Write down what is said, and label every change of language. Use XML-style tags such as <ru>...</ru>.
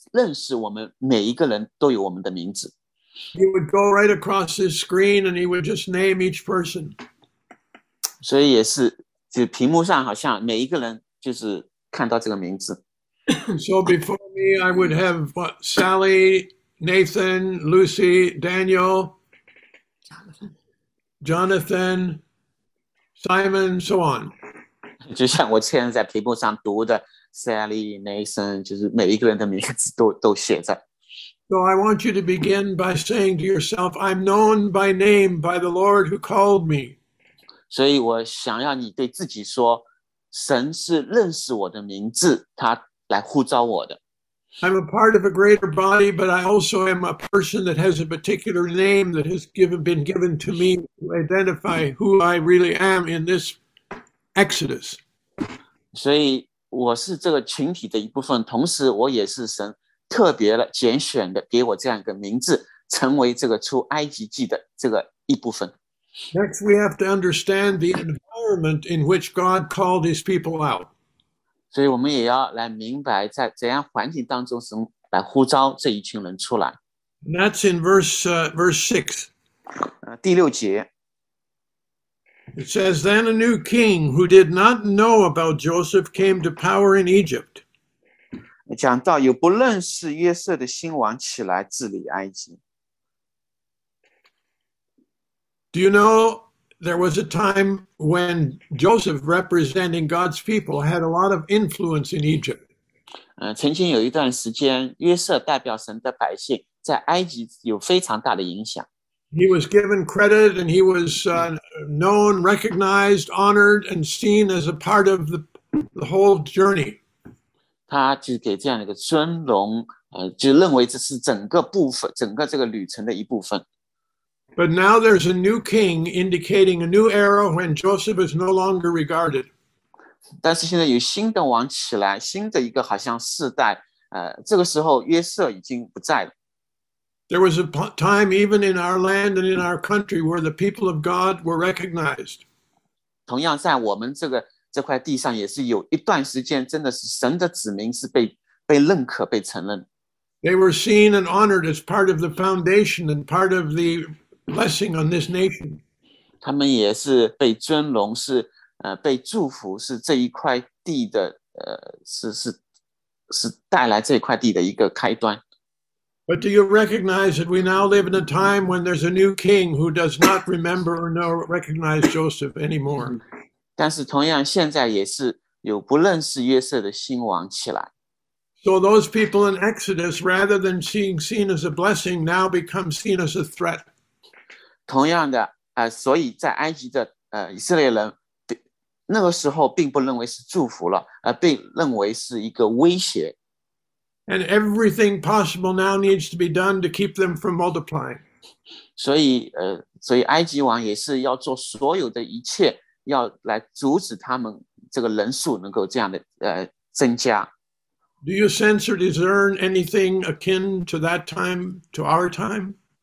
<zh>神呼召我们出来成为他天国议会的一部分，他认识我们每一个人都有我们的名字。</zh> <en>He would go right across his screen and he would just name each person.</en> <zh>所以也是,就屏幕上好像每一个人就是看到这个名字。</zh> <en>So before me, I would have what, Sally, Nathan, Lucy, Daniel, Jonathan, Simon, so on.</en> <zh>就像我现在在屏幕上读的, Sally, Nathan, 就是每一个人的名字都写着。</zh> <en>So I want you to begin by saying to yourself, I'm known by name by the Lord who called me.</en> <zh>所以我想要你对自己说, 神是认识我的名字, 他来呼召我的。</zh> <en>I'm a part of a greater body, but I also am a person that has a particular name that has been given to me to identify who I really am in this Exodus.</en> <zh>所以我是这个群体的一部分, 同时我也是神。特别的拣选的给我这样一个名字，成为这个出埃及记的这个一部分。</zh> <en>Next, we have to understand the environment in which God called His people out.</en> <zh>所以我们也要来明白，在怎样环境当中，神来呼召这一群人出来。</zh> <en>And that's in verse 6.</en> <zh>第六节。</zh> <en>It says, then a new king who did not know about Joseph came to power in Egypt.</en> <zh>讲到有不认识约瑟的新王起来治理埃及。</zh> <en>Do you know there was a time when Joseph representing God's people had a lot of influence in Egypt?</en> <zh>曾经有一段时间，约瑟代表神的百姓在埃及有非常大的影响。</zh> <en>He was given credit and he was known, recognized, honored, and seen as a part of the whole journey.</en> <zh>他就给这样一个尊荣，就认为这是整个部分，整个这个旅程的一部分。</zh> <en>But now there's a new king indicating a new era when Joseph is no longer regarded.</en> <zh>但是现在有新的王起来，新的一个好像世代，这个时候约瑟已经不在了。</zh> <en>There was a time even in our land and in our country where the people of God were recognized.</en> <zh>同样在我们这块地上也是有一段时间真的是神的子民是被认可被承认。</zh> <en>They were seen and honored as part of the foundation and part of the blessing on this nation.</en> <zh>他们也是被尊荣是被祝福是这一块地的是带来这块地的一个开端。</zh> <en>But do you recognize that we now live in a time when there's a new king who does not remember or know recognize Joseph anymore?</en> <zh>但是同样现在也是有不认识约瑟的新王起来。</zh> <en>So those people in Exodus, rather than being seen as a blessing, now become seen as a threat.</en> <zh>同样的，所以在埃及的以色列人，那个时候并不认为是祝福了，而被认为是一个威胁。</zh> <en>And everything possible now needs to be done to keep them from multiplying.</en> <zh>所以埃及王也是要做所有的一切，要来阻止他们这个人数能够这样的增加。</zh> <en>Do you sense or discern anything akin to that time, to our time?</en>